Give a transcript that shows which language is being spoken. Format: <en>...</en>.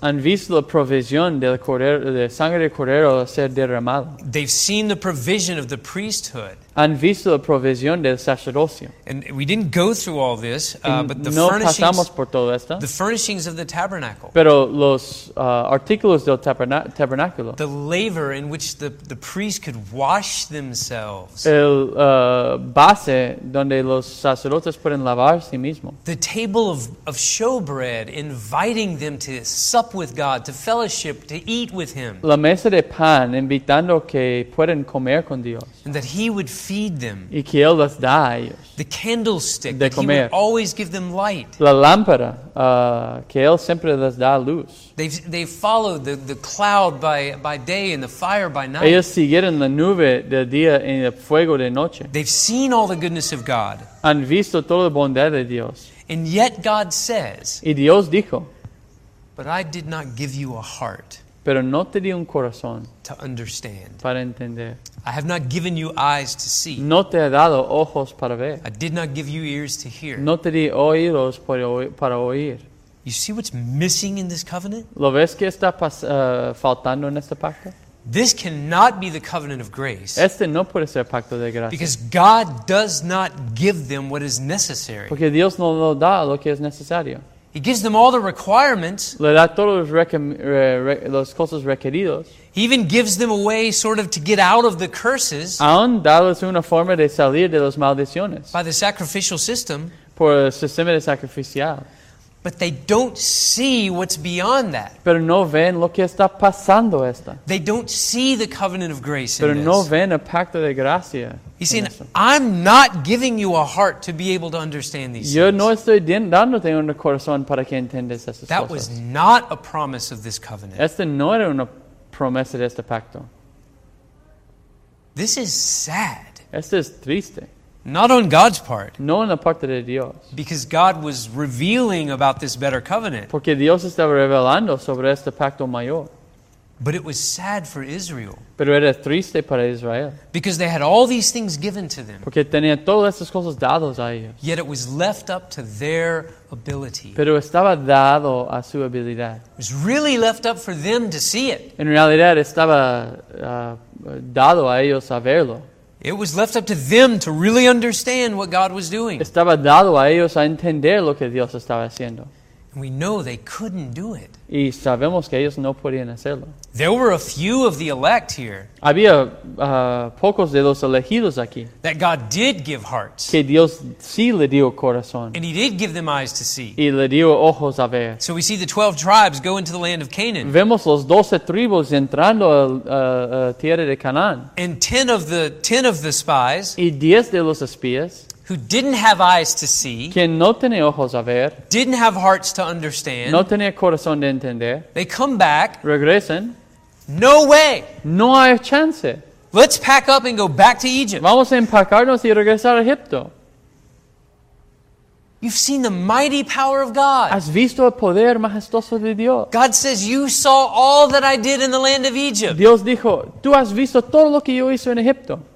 <es>Han visto la provisión del cordero, de sangre de cordero ser derramado.</es> <en>They've seen the provision of the priesthood.</en> <es>Han visto la provisión del sacerdocio.</es> <en>And we didn't go through all this, but the</en> <es>no</es> <en>furnishings,</en> <es>pasamos por todo esto.</es> <en>The furnishings of the tabernacle.</en> <es>Pero los artículos del tabernáculo.</es> <en>The laver in which the priests could wash themselves.</en> <es>El base donde los sacerdotes pueden lavar sí mismo.</es> <en>The table of showbread, inviting them to sup with God, to fellowship, to eat with Him.</en> <es>La mesa de pan, invitando que pueden comer con Dios.</es> <en>And that He would feed them.</en> <es>Y que él les da a ellos.</es> <en>The candlestick</en> <es>de comer.</es> <en>He would always give them light.</en> <es>La lámpara que él siempre les da luz.</es> <en>They followed the cloud by day and the fire by night.</en> <es>Ellos siguieron la nube de día y el fuego de noche.</es> <en>They've seen all the goodness of God.</en> <es>Han visto toda la bondad de Dios.</es> <en>And yet God says,</en> <es>y Dios dijo,</es> <en>but I did not give you a heart.</en> <es>Pero no te di un corazón</es> <en>to understand.</en> <es>Para entender.</es> <en>I have not given you eyes to see.</en> <es>No te he dado ojos para ver.</es> <en>I did not give you ears to hear.</en> <es>No te di oídos para oír.</es> <en>You see what's missing in this covenant?</en> <es>¿Lo ves que está faltando en este pacto?</es> <en>This cannot be the covenant of grace.</en> <es>Este no puede ser pacto de gracia.</es> <en>Because God does not give them what is necessary.</en> <es>Porque Dios no lo da lo que es necesario.</es> <en>He gives them all the requirements.</en> <es>Le da todos los cosas requeridos.</es> <en>He even gives them a way sort of to get out of the curses.</en> <es>Aún darles una forma de salir de las maldiciones.</es> <en>By the sacrificial system.</en> <es>Por el sistema de sacrificial.</es> <en>But they don't see what's beyond that.</en> <es>Pero no ven lo que está pasando esta.</es> <en>They don't see the covenant of grace.</en> <es>Pero</es> <en>in</en> <es>no</es> <en>this.</en> <es>Ven el pacto de gracia.</es> <en>He's saying, I'm not giving you a heart to be able to understand these</en> <es>yo</es> <en>things.</en> <es>No estoy dándote un corazón para que entiendas estas cosas.</es> <en>That was not a promise of this covenant.</en> <es>Este no era una promesa de este pacto.</es> <en>This is sad.</en> <es>Esto es triste.</es> <en>Not on God's part.</en> <es>No en la parte de Dios.</es> <en>Because God was revealing about this better covenant.</en> <es>Porque Dios estaba revelando sobre este pacto mayor.</es> <en>But it was sad for Israel.</en> <es>Pero era triste para Israel.</es> <en>Because they had all these things given to them.</en> <es>Porque tenían todas esas cosas dadas a ellos.</es> <en>Yet it was left up to their ability.</en> <es>Pero estaba dado a su habilidad.</es> <en>It was really left up for them to see it.</en> <es>En realidad estaba dado a ellos a verlo.</es> <en>It was left up to them to really understand what God was doing.</en> <es>Estaba dado a ellos a entender lo que Dios estaba haciendo.</es> <en>We know they couldn't do it.</en> <es>Y sabemos que ellos no podían hacerlo.</es> <en>There were a few of the elect here.</en> <es>Había pocos de los elegidos aquí.</es> <en>That God did give hearts.</en> <es>Que Dios sí le dio corazón.</es> <en>And he did give them eyes to see.</en> <es>Y le dio ojos a ver.</es> <en>So we see the 12 tribes go into the land of Canaan.</en> <es>Vemos los 12 tribus entrando a tierra de Canaan.</es> <en>And 10 of the spies.</en> <es>Y 10 de los espías.</es> <en>Who didn't have eyes to see.</en> <es>Quien no tenía ojos a ver.</es> <en>Didn't have hearts to understand.</en> <es>No tenía corazón de entender.</es> <en>They come back.</en> <es>Regresan.</es> <en>No way.</en> <es>No hay chance.</es> <en>Let's pack up and go back to Egypt.</en> <es>Vamos a empacarnos y regresar a Egipto.</es> <en>You've seen the mighty power of God.</en> <es>Has visto el poder majestuoso de Dios.</es> <en>God says, you saw all that I did in the land of Egypt.</en> <es>Dios dijo, tú has visto todo lo que yo hice en Egipto.</es>